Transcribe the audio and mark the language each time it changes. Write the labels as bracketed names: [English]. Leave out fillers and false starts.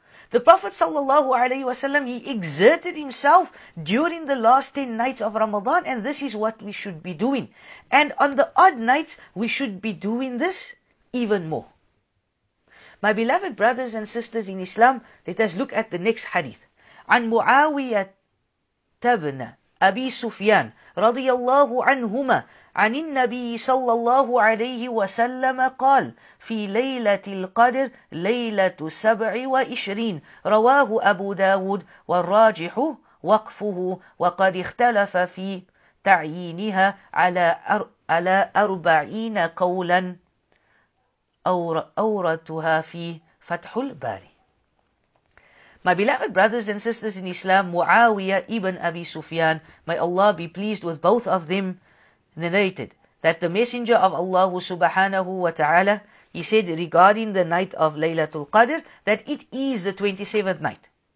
[English] The Prophet sallallahu alayhi wa sallam, he exerted himself during the last 10 nights of Ramadan, and this is what we should be doing. And on the odd nights, we should be doing this even more. My beloved brothers and sisters in Islam, let us look at the next hadith. [Arabic] An Muawiyah تبن أبي سفيان رضي الله عنهما عن النبي صلى الله عليه وسلم قال في ليلة القدر ليلة 27 رواه أبو داود والراجح وقفه وقد اختلف في تعيينها على 40 قولا أورتها في فتح الباري. [English] My beloved brothers and sisters in Islam, Muawiyah ibn Abi Sufyan, may Allah be pleased with both of them, narrated that the Messenger of Allah subhanahu wa ta'ala, he said regarding the night of Laylatul Qadr, that it is the 27th night.